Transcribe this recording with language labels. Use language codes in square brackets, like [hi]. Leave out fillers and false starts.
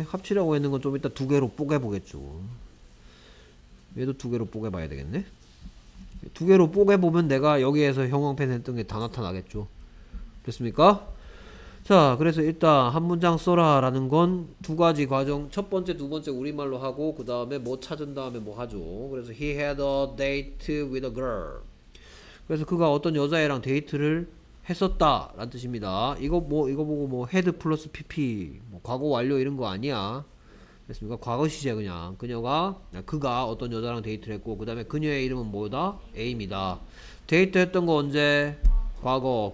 [ko] 합치라고 했는 건 좀 이따 두 개로 뽀개 보겠죠. 얘도 두 개로 뽀개 봐야 되겠네. 두 개로 뽀개 보면 내가 여기에서 형광펜 했던 게 다 나타나겠죠. 됐습니까? 자, 그래서 일단 한 문장 써라 라는 건 두 가지 과정. 첫 번째, 두 번째 우리말로 하고 그 다음에 뭐 찾은 다음에 뭐 하죠. [en] 그래서 he had a date with a girl. [ko] 그래서 그가 어떤 여자애랑 데이트를 했었다 라는 뜻입니다. 이거 보고 뭐 had 플러스 pp 뭐 과거 완료 이런 거 아니야. 됐습니까? 과거 시제. 그냥 그가 어떤 여자랑 데이트를 했고 그 다음에 그녀의 이름은 뭐다? A입니다. 데이트 했던 거 언제? 과거.